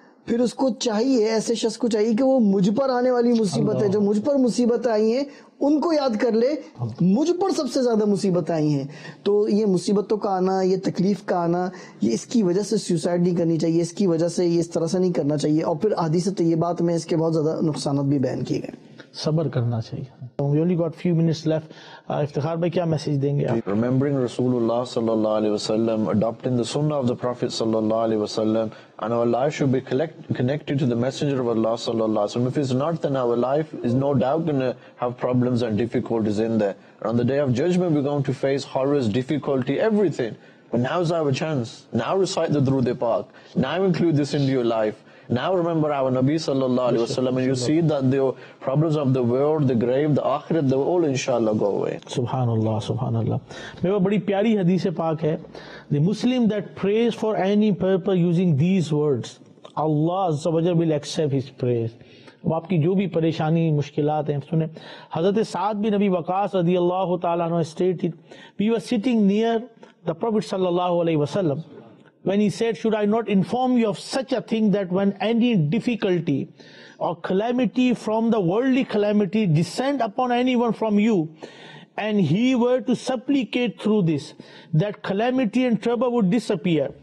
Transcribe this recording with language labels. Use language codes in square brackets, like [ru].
[ur] پھر اس کو چاہیے ایسے شخص کو چاہیے کہ وہ مجھ پر آنے والی مصیبت ہے جو مجھ پر مصیبت آئی ہیں ان کو یاد کر لے مجھ پر سب سے زیادہ مصیبت آئی ہیں تو یہ مصیبتوں کا آنا یہ تکلیف کا آنا یہ اس کی وجہ سے سوسائڈ نہیں کرنی چاہیے اس کی وجہ سے یہ اس طرح سے نہیں کرنا چاہیے اور پھر حدیث طیبات میں اس کے بہت زیادہ نقصانات بھی بیان کیے گئے صبر کرنا چاہیے [en] only got few minutes left. [ur] Iftikhar بھائی کیا میسج دیں گے [en] remembering رسول اللہ صلی اللہ علیہ وسلم adopting the sunnah of the prophet صلی اللہ علیہ وسلم and our life should be connected to the messenger of Allah صلی اللہ علیہ وسلم if it's not then our life is no doubt going to have problems and difficulties in there on the day of judgment we're going to face horrors difficulty everything but now's our chance now recite the durood pak now include this into your life Now remember our Nabi sallallahu alayhi wa sallam and you see that the problems of the world, the grave, the akhirat, they will all inshallah go away. [ar] Subhanallah, subhanallah. [en] There is a very beautiful hadith paak hai. The Muslim that prays for any purpose using these words, Allah azza wa jal will accept his prayers. [ur] وہ آپ کی جو بھی پریشانی مشکلات ہیں سنیں. [en] حضرت سعد بن ابی وقاص رضی اللہ تعالیٰ عنہ stated, we were sitting near the Prophet صلی اللہ علیہ وسلم when he said, should I not inform you of such a thing that when any difficulty or calamity from the worldly calamity descend upon anyone from you and he were to supplicate through this, that calamity and trouble would disappear.